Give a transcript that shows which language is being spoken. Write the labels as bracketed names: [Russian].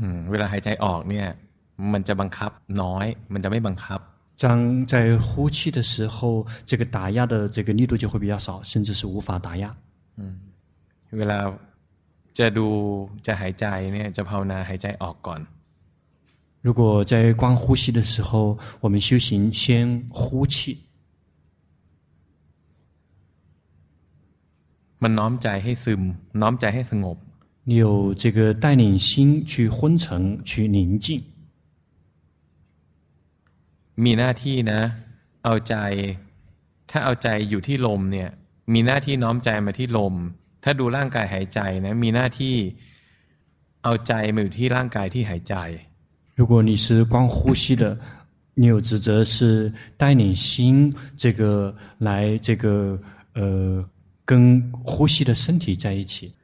[Thai] เวลาหายใจออกเนี่ยมันจะบังคับน้อยมันจะไม่บังคับ [Chinese] 当在呼气的时候，这个打压的这个力度就会比较少，甚至是无法打压。 [Thai] เวลาจะดูจะหายใจเนี่ยจะภาวนาหายใจออกก่อน。 [Chinese] 如果在观呼吸的时候，我们修行先呼气。 [Thai] มันน้อมใจให้ซึมน้อมใจให้สงบ。 [Chinese] 你有这个带领心去昏沉去宁静。 [Thai] มีหน้าที่นะเอาใจถ้าเอาใจอยู่ที่ลมเนี่ยมีหน้าที่น้อมใจมาที่ลมถ้าดูร่างกายหายใจนะมีหน้าที่เอาใจมาอยู่ที่ร่างกายที่หายใจ [Chinese] 如果你是光呼吸的你有职责是带领心这个来这个跟呼吸的身体在一起